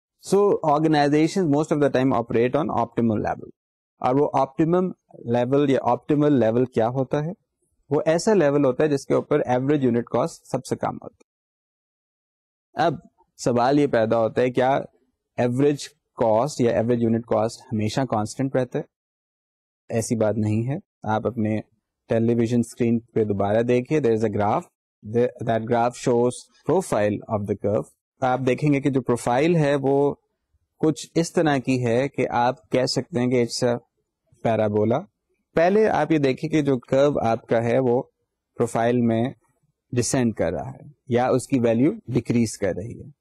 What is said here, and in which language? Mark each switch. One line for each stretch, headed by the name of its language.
English: so organization most of the time operate on optimum level,
Urdu: اور وہ optimum level یا optimal level کیا ہوتا ہے, وہ ایسا لیول ہوتا ہے جس کے اوپر ایوریج یونٹ کاسٹ سب سے کم ہوتا ہے. اب سوال یہ پیدا ہوتا ہے کیا ایوریج کاسٹ یا ایوریج یونٹ کاسٹ ہمیشہ کانسٹنٹ رہتا ہے؟ ایسی بات نہیں ہے. آپ اپنے ٹیلی ویژن اسکرین پہ دوبارہ دیکھیے,
English: There is a graph, that graph shows profile of the curve.
Urdu: آپ دیکھیں گے کہ جو پروفائل ہے وہ کچھ اس طرح کی ہے کہ آپ کہہ سکتے ہیں کہ
English: It's a parabola.
Urdu: پہلے آپ یہ دیکھیں کہ جو کرو آپ کا ہے وہ پروفائل میں ڈسینڈ کر رہا ہے یا اس کی ویلیو ڈیکریز کر رہی ہے.